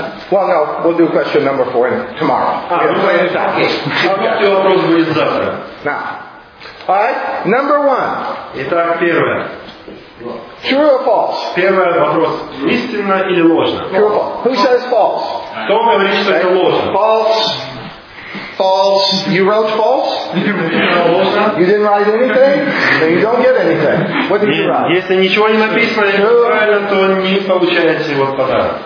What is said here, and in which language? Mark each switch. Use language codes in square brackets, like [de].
[en] We'll do question number four tomorrow. [ru] Четвертый вопрос будет завтра. [en] Now, all right, number one. [ru] Итак, первое. [en] True or false? [ru] Первый вопрос. Истинно или ложно? [en] True or false? Who says false? [ru] Кто говорит, что это ложно? [en] False. False. You wrote false? You didn't write anything? Then you don't get anything. What did you write? [ru] Если ничего не написано, то не получаете вот подарок.